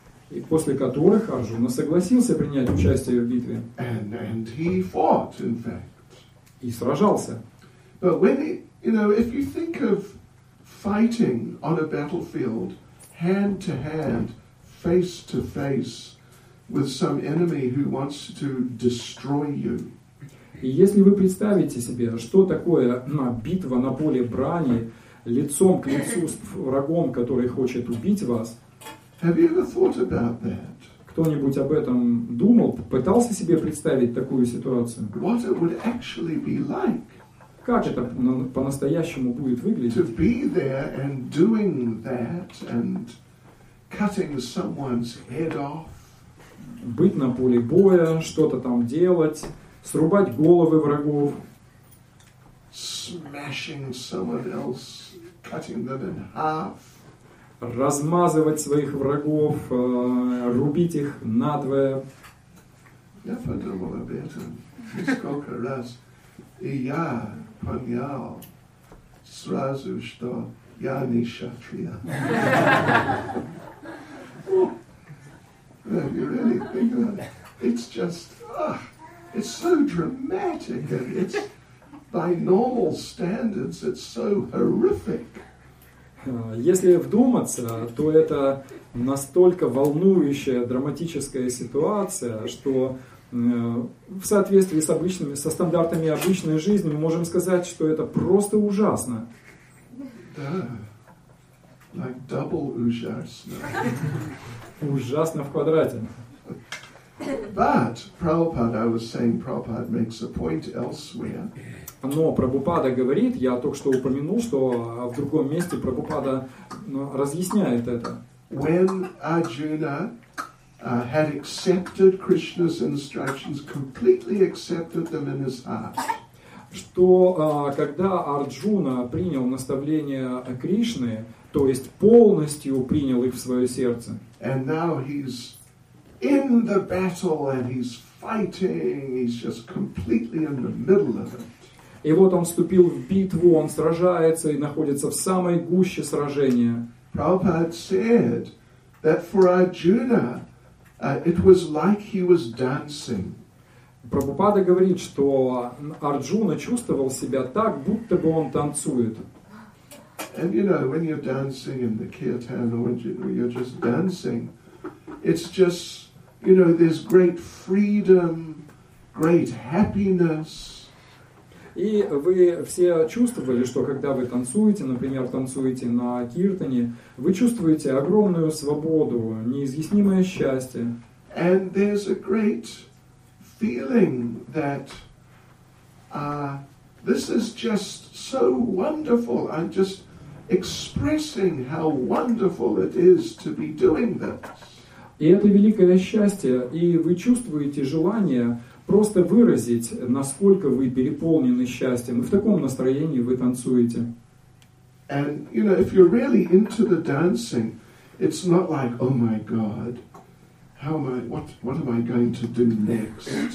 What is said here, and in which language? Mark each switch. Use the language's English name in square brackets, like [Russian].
[Russian] И после которых Арджуна согласился принять участие в битве. [English] And he fought, in fact. [Russian] И сражался. [English] But when he, you know, if you think of fighting on a battlefield, hand to hand, face to face, with some enemy who wants to destroy you. [Russian] И если вы представите себе, что такое битва на поле брани лицом к лицу с врагом, который хочет убить вас, кто-нибудь об этом думал, пытался себе представить такую ситуацию? [English] What it would actually be like, [Russian] как это по-настоящему будет выглядеть? [English] To be there and doing that and cutting someone's head off. [Russian] Быть на поле боя, что-то там делать, срубать головы врагов, [English] smashing someone else, cutting them in half, [Russian] размазывать своих врагов, рубить их надвое. [English] Never done all of it. [Russian] Сколько раз и я понял сразу, что я не шатрия. [English] If you really think of it, it's just... It's so dramatic, and it's by normal standards, it's so horrific. [Russian] Если вдуматься, то это настолько волнующая, драматическая ситуация, что в соответствии с обычными, со стандартами обычной жизни, мы можем сказать, что это просто ужасно. Да. [English] Like double [Russian] ужасно. Ужасно в квадрате. [English] But Prabhupada, I was saying, Prabhupada makes a point elsewhere. [Russian] Но Прабхупада говорит, я только что упомянул, что в другом месте Прабхупада разъясняет это. [English] When Arjuna had accepted Krishna's instructions, completely accepted them in his heart. [Russian] что когда Арджуна принял наставление Кришны, то есть полностью принял их в свое сердце, [English] and now he's in the battle and he's fighting, he's just completely in the middle of it. [Russian] И вот он вступил в битву, он сражается и находится в самой гуще сражения. [English] Prabhupada said that for Arjuna it was like he was dancing. [Russian] Прабхупада говорит, что Арджуна чувствовал себя так, будто бы он танцует. [English] And you know, when you're dancing in the kirtan or you're just dancing, it's just, you know, there's great freedom, great happiness. [Russian] И вы все чувствовали, что когда вы танцуете, например, танцуете на киртане, вы чувствуете огромную свободу, неизъяснимое счастье. [English] And there's a great feeling that this is just so wonderful. I'm just expressing how wonderful it is to be doing this. [Russian] И это великое счастье, и вы чувствуете желание просто выразить, насколько вы переполнены счастьем. И в таком настроении вы танцуете. [English] And you know, if you're really into the dancing, it's not like, oh my God, how am I, what am I going to do next?